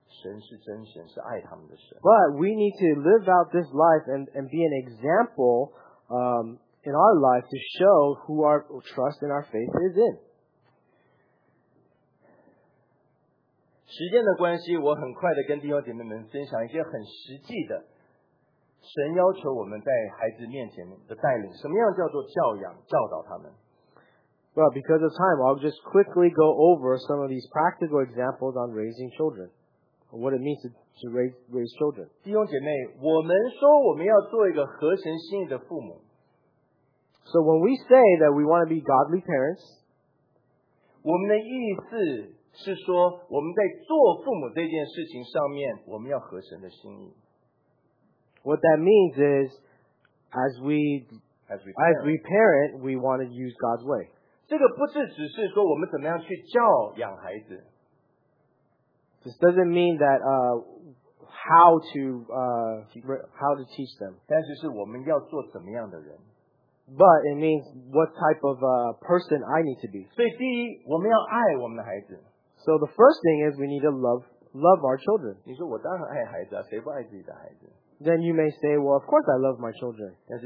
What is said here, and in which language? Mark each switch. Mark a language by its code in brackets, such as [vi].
[en] But we need to live out this life and be an example in our life to show who our trust and our faith is in. [zh] 时间的关系, 我很快地跟弟兄姐妹们分享一些很实际的, 神要求我们在孩子面前的带领, 什么样叫做教养, 教导他们。 [en] Well, because of time, I'll just quickly go over some of these practical examples on raising children, what it means to raise children. [zh] 弟兄姐妹, 我们说我们要做一个合神心意的父母, [en] so when we say that we want to be godly parents, [zh] 我们的意思, 是说我们在做父母这件事情上面我们要合神的心意。 [en] What that means is as we parent, we want to use God's way. [zh] 这个不是只是说我们怎么样去教养孩子。 [en] This doesn't mean that how to teach them. [zh] 但是是我们要做怎么样的人。 [en] But it means what type of person I need to be. [zh] 所以第一,我们要爱我们的孩子。 [en] So the first thing is we need to love our children. [zh] 你说我当然爱孩子啊,谁不爱自己的孩子? [en] Then you may say, well, of course I love my children.